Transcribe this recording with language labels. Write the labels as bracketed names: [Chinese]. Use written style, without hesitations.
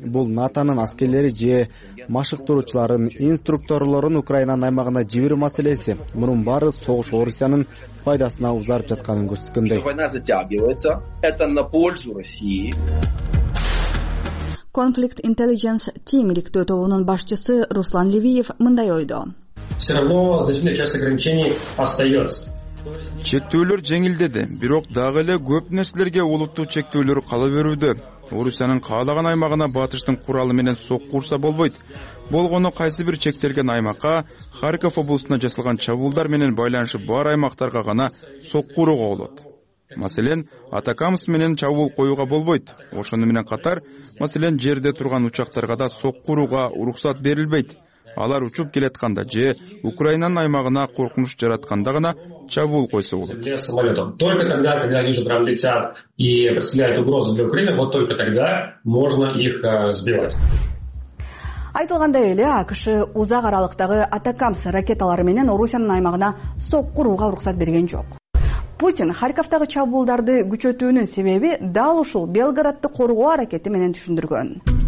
[Kyrgyz] Бул НАТОнун аскерлери же машыктыруучуларын, инструкторлорун Украинанын аймагына жибирүү маселеси. Мунун баары согуш Орусиянын пайдасына узарып жатканын көрсөткөндөй. [Russian] Война затягивается. Это на пользу России. [Kyrgyz] Conflict Intelligence Team иликтөө тобунун башчысы Руслан Левиев мындай ойдо. [Russian] Все равно значительная часть ограничений остается. [Kyrgyz] Чектөөлөр жеңилдеди, бирок дагы эле көп нерселерге олуттуу чектөөлөр кала берүүдө. Орусиянын каалаган аймагына батыштын куралы менен сокку урса болбойт. Болгону кайсы бир чектелген аймакка, Харьков облусуна жасалган чабуулдар менен байланышы бар аймактарга гана сокку урууга болот. Маселен, Атакамс менен чабуул коюуга болбойт. Ошону менен катар, маселен, жерде турган учактарга да сокку урууга уруксат берилбейт. Алар учуп келатканда же Украинанын аймагына коркунуч жаратканда гана чабуул койсо болот. [Russian] Только тогда, когда они уже прям летят и представляют угрозу для Украины, вот только тогда можно их сбивать. [Kyrgyz] Айтылгандай эле АКШ узак аралыктагы Атакамс ракеталары менен Орусиянын аймагына сокку урууга уруксат берген жок. Путин Харьковтагы чабуулдарды күчөтүүнүн себеби дал ушул Белгородду коргоо аракети менен түшүндүргөн.